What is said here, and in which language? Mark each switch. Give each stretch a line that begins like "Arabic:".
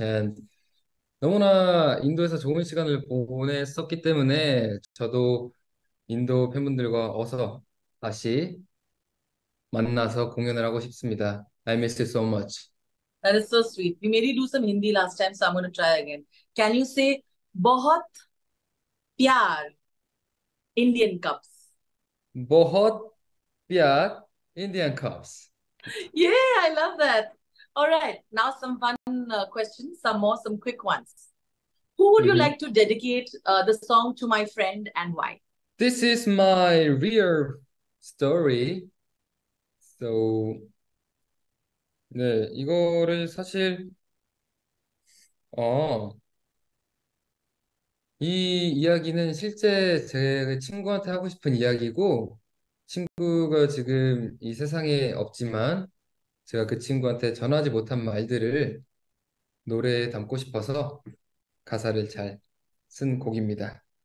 English: And
Korean: 너무나 인도에서 좋은 시간을 보냈었기 때문에 저도 인도 팬분들과 어서 다시 만나서 공연을 하고 싶습니다.
English: I miss you so much. That is so sweet. We made you do some Hindi last time, so I'm going to try again. Can you say,
Hindi: Bohot Pyar,
English: Indian Cups?
Hindi: Bohot pyar
English: Indian Cubs. Yeah, I love that. All right, now some fun questions, some more, some quick ones. Who would you like to dedicate the song to my friend and why? This is my real story. So,
Korean: 네, 이거를 사실 이 이야기는 실제 제 친구한테 하고 싶은 이야기고, 친구가 지금 이 세상에 없지만 제가 그 친구한테 전하지 못한 말들을 노래에 담고 싶어서 가사를 잘쓴 곡입니다.